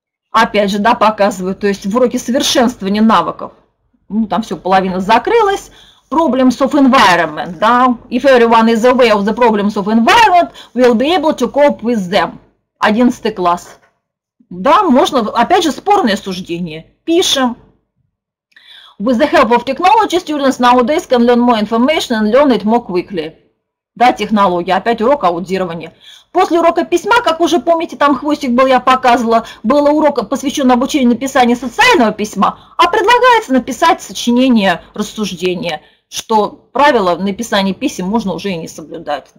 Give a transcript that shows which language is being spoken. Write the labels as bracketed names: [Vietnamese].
[Russian] Опять же, да, показываю, то есть в уроке совершенствования навыков, ну, там все, половина закрылась, [English] problems of environment, да, if everyone is aware of the problems of environment, we'll be able to cope with them. [Russian] 11 класс. Да, можно, опять же, спорное суждение. Пишем. [English] With the help of technology, students nowadays can learn more information and learn it more quickly. [Russian] Да, технология, опять урок аудирования. После урока письма, как уже помните, там хвостик был, я показывала, был урок, посвящен обучению написанию социального письма, а предлагается написать сочинение рассуждения, что правила написания писем можно уже и не соблюдать.